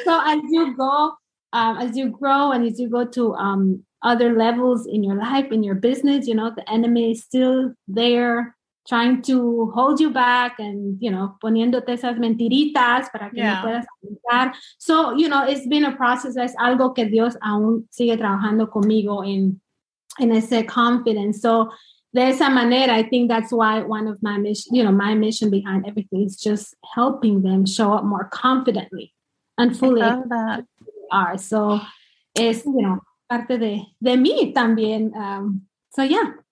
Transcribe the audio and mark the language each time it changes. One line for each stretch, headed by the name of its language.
English: So as you go, as you grow and as you go to other levels in your life, in your business, you know, the enemy is still there trying to hold you back and, you know,
Spanish: poniéndote esas mentiritas para que no puedas avanzar.
English: So, you know, it's been a process.
Spanish: Es algo que Dios aún sigue trabajando conmigo en ese confidence.
English: So
Spanish: de esa manera,
English: I think that's why one of my mission, you know, my mission behind everything is just helping them show up more confidently and fully are.
Spanish: So es,
English: you know,
Spanish: parte de mí también.
English: So yeah.